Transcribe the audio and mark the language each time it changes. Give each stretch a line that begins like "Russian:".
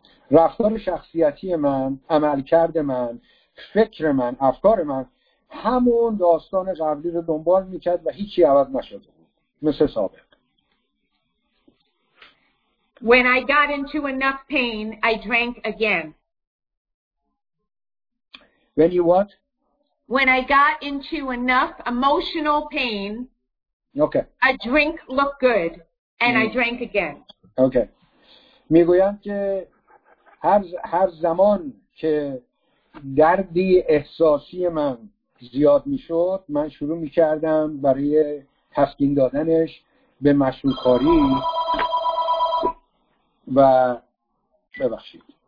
Persian: رفتار شخصیتی من، عمل کرد من، فکر من، افکار من همون داستان قبلی رو دنبال میکرد و هیچی عوض نشده بود. مثل سابق.
English: When I got into enough pain, I drank again. When you what? When I got into enough emotional pain, okay. A drink looked good and I drank again. Okay.
Persian: میگویند که هر زمان که دردی احساسی من زیاد میشد من شروع میکردم برای تسکین دادنش به مشروب خوری و ببخشید.